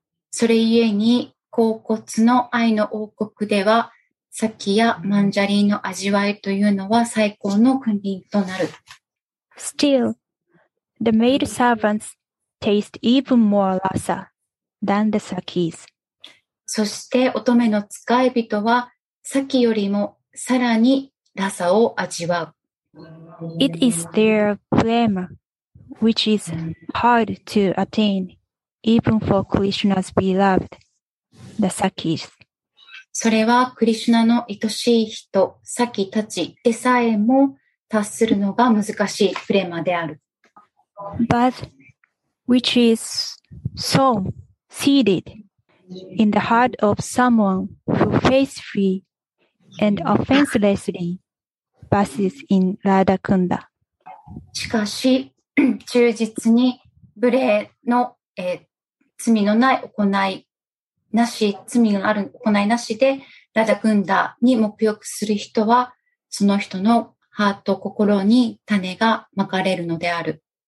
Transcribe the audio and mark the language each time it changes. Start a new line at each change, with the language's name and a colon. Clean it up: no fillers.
Japanese: それゆえに、高骨の愛の王国では、サキやマンジャリーの味わいというのは最高の君臨となる。
English: Still, the maid servants taste even more rasa than the Sakis.
Japanese: そして、乙女の使い人は、サキよりもさらにラサを味わう。
English: It is their prema, which is hard to attain, even for Krishna's beloved, the Sakis.
Japanese: それはクリシュナの愛しい人、サキたちでさえも達するのが難しいプレマである。
English: But which is so seated in the heart of someone who faithfully and offenselessly Passes in Radha Kunda.
Japanese: しかし、忠実に無礼の、罪のない行いなし、罪のある行いなしで、ラダクンダに沐浴する人は、その人のハート、心に種がまかれるのである。